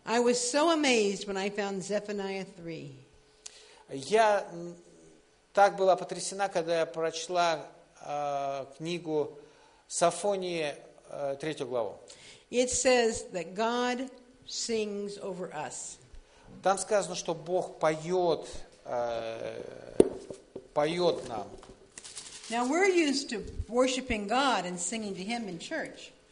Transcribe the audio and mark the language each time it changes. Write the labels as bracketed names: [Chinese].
[English] I was so amazed when I found Zephaniah 3. [Russian] Я так была потрясена, когда я прочла книгу Софонии, 3 главу. [English] It says that God sings over us. [Russian] Там сказано, что Бог поет нам. [English] Now we're used to worshiping God and singing to Him in church.